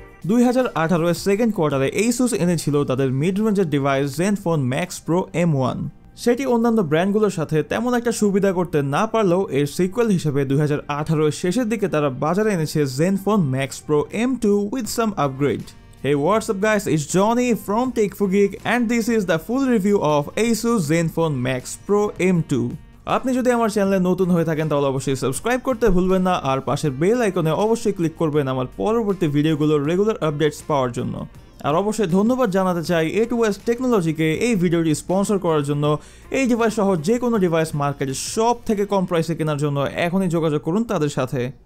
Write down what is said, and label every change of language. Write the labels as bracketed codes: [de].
[bn] 2018 second কোয়ার্টারে এইসুস এনেছিল তাদের মিড রেঞ্জের device ZenFone max pro M1। সেটি অন্যান্য ব্র্যান্ডগুলোর সাথে তেমন একটা সুবিধা করতে না পারলেও এর সিকুয়েল হিসেবে 2018 শেষের দিকে তারা বাজারে এনেছে ZenFone max pro M2 [en] With some upgrade. Hey, what's up guys, it's Johnny from TechFo Geek and this is the full review of Asus Zenfone Max Pro M2. [bn] আপনি যদি আমার চ্যানেলে নতুন হয়ে থাকেন তাহলে অবশ্যই সাবস্ক্রাইব করতে ভুলবেন না আর পাশের বেল আইকনে অবশ্যই ক্লিক করবেন আমার পরবর্তী ভিডিওগুলোর রেগুলার আপডেটস পাওয়ার জন্য। আর অবশ্যই ধন্যবাদ জানাতে চাই A2S টেকনোলজিকে এই ভিডিওটি স্পন্সর করার জন্য। এই ডিভাইস সহ যে কোনো ডিভাইস মার্কেটে সব থেকে কম প্রাইসে কেনার জন্য এখনই যোগাযোগ করুন তাদের সাথে।